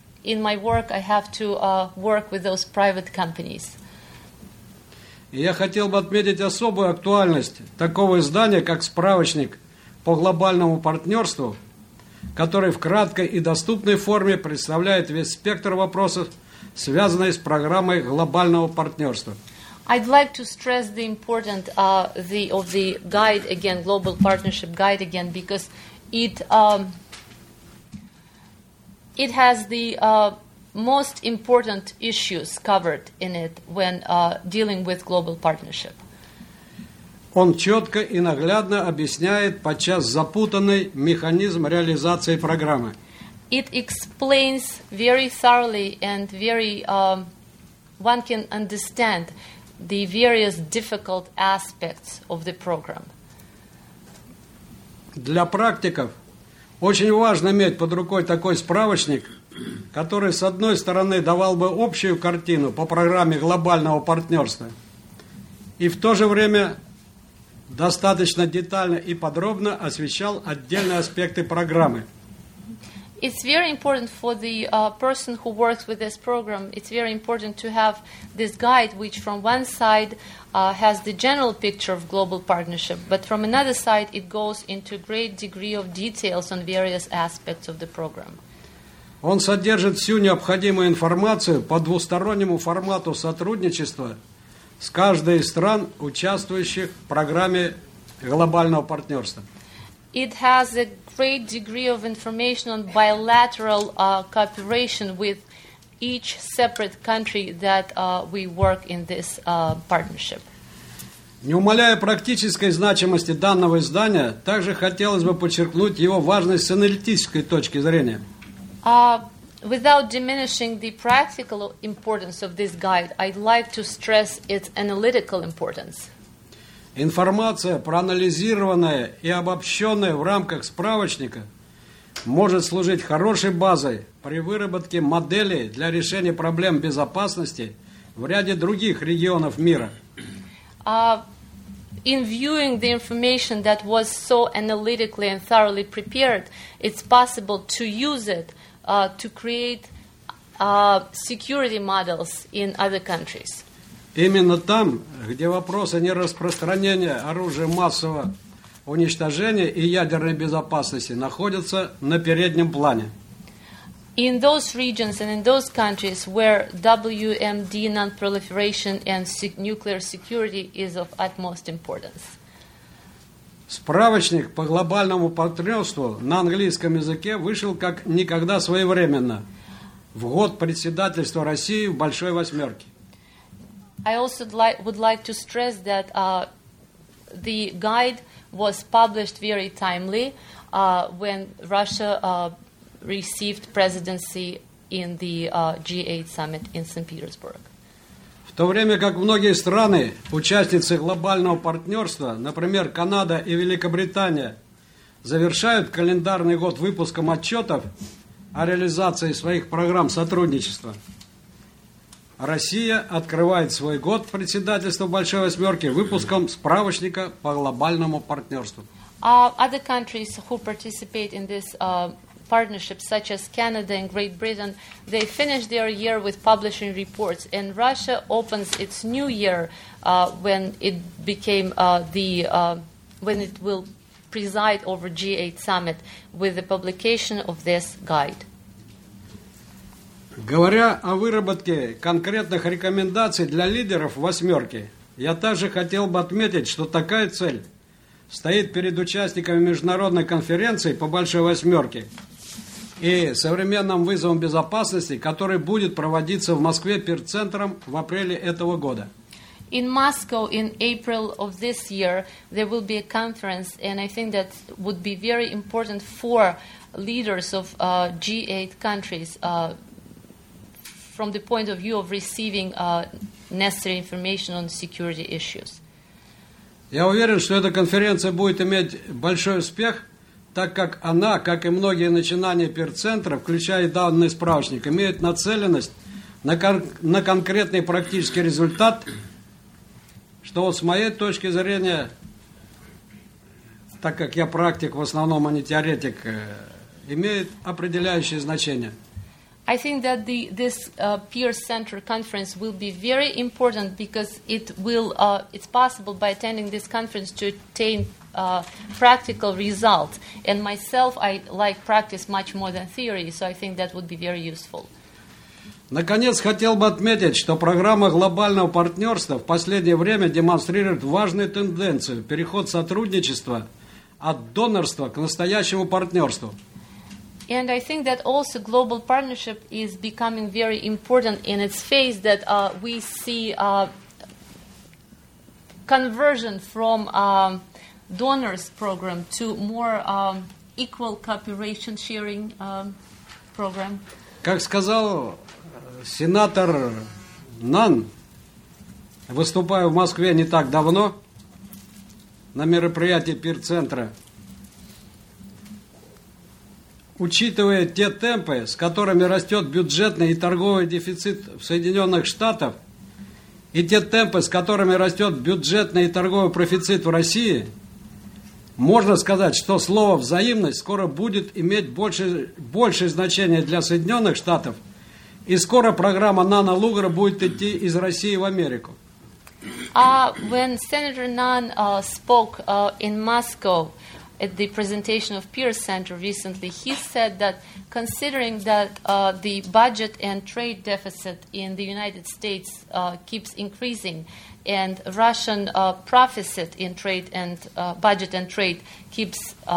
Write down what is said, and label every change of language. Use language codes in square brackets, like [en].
[en] in my work I have to work with those private companies. [ru] Я хотел бы отметить особую актуальность такого издания, как справочник по глобальному партнерству, который в краткой и доступной форме представляет весь спектр вопросов, связанных с программой глобального партнерства. [en] I'd like to stress the importance of the guide again, Global Partnership Guide again, because it has the most important issues covered in it when dealing with global partnership. [ru] Он четко и наглядно объясняет подчас запутанный механизм реализации программы. [en] It explains very thoroughly and very one can understand the various difficult aspects of the program. [ru] Для практиков очень важно иметь под рукой такой справочник, который, с одной стороны, давал бы общую картину по программе глобального партнерства и в то же время достаточно детально и подробно освещал отдельные аспекты программы. [en] It's very important for the person who works with this program. It's very important to have this guide, which from one side has the general picture of global partnership, but from another side it goes into great degree of details on various aspects of the program. [ru] Он содержит всю необходимую информацию по двустороннему формату сотрудничества с каждой из стран, участвующих в программе глобального партнерства. [en] It has a great degree of information on bilateral cooperation with each separate country that we work in this partnership. [ru] Не умаляя практической значимости данного издания, также хотелось бы подчеркнуть его важность с аналитической точки зрения. [en] Without diminishing the practical importance of this guide, I'd like to stress its analytical importance. [ru] Информация, проанализированная и обобщенная в рамках справочника, может служить хорошей базой при выработке моделей для решения проблем безопасности в ряде других регионов мира. [en] In viewing the information that was so analytically and thoroughly prepared, it's possible to use it to create security models in other countries. [ru] Именно там, где вопросы нераспространения оружия массового уничтожения и ядерной безопасности находятся на переднем плане. [en] In those regions and in those countries where WMD, non-proliferation and nuclear security is of utmost importance. [ru] Справочник по глобальному партнерству на английском языке вышел как никогда своевременно в год председательства России в Большой Восьмерке. [en] I also would like to stress that the guide was published very timely when Russia received presidency in the G8 summit in St. Petersburg. [ru] В то время как многие страны, участницы глобального партнерства, например, Канада и Великобритания, завершают календарный год выпуском отчетов о реализации своих программ сотрудничества, Россия открывает свой год председательства Большой Восьмерки выпуском справочника по глобальному партнерству. [en] Other countries who participate in this partnership, such as Canada and Great Britain, they finish their year with publishing reports, and Russia opens its new year when it became when it will preside over G8 summit with the publication of this guide. [ru] Говоря о выработке конкретных рекомендаций для лидеров восьмерки, я также хотел бы отметить, что такая цель стоит перед участниками международной конференции по Большой Восьмерке и современным вызовам безопасности, который будет проводиться в Москве Пир-центром в апреле этого года. [en] In Moscow in April of this year there will be a conference, and I think that would be very important for leaders of G8 countries from the point of view of receiving necessary information on security issues. [ru] Я уверен, что эта конференция будет иметь большой успех, так как она, как и многие начинания Пир-центра, включая данный справочник, имеет нацеленность на конкретный практический результат, что с моей точки зрения, так как я практик в основном, а не теоретик, имеет определяющее значение. [en] I think that this peer center conference will be very important because it will it's possible by attending this conference to attain practical results. And myself, I like practice much more than theory, so I think that would be very useful. [ru] Наконец, хотел бы отметить, что программа глобального партнерства в последнее время демонстрирует важную тенденцию – переход сотрудничества от донорства к настоящему партнерству. [en] And I think that also global partnership is becoming very important in its phase that we see conversion from donors program to more equal cooperation sharing program. [ru] Как сказал сенатор Нан, выступая в Москве не так давно на мероприятии Пир-центра, учитывая те темпы, с которыми растет бюджетный и торговый дефицит в Соединенных Штатах, и те темпы, с которыми растет бюджетный и торговый профицит в России, можно сказать, что слово «взаимность» скоро будет иметь большее значение для Соединенных Штатов, и скоро программа Нана Лугара будет идти из России в Америку. [en] When Senator Nan spoke in Moscow at the presentation of Peer Center recently, he said that considering that the budget and trade deficit in the United States keeps increasing and Russian profit in trade and budget and trade keeps